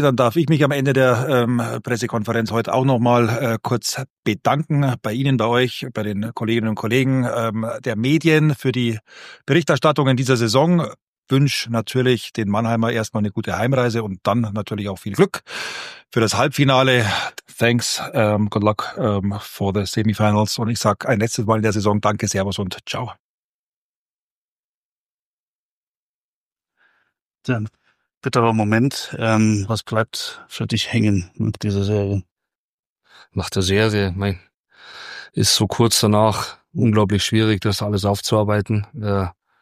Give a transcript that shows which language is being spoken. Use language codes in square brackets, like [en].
[de] Dann darf ich mich am Ende der Pressekonferenz heute auch nochmal kurz bedanken bei Ihnen, bei euch, bei den Kolleginnen und Kollegen der Medien für die Berichterstattung in dieser Saison. Wünsche natürlich den Mannheimer erstmal eine gute Heimreise und dann natürlich auch viel Glück für das Halbfinale. [en] Thanks, good luck for the semifinals. [de] Und ich sage ein letztes Mal in der Saison danke, Servus und ciao. Ein bitterer Moment. Was bleibt für dich hängen nach dieser Serie? Nach der Serie, ist so kurz danach unglaublich schwierig, das alles aufzuarbeiten.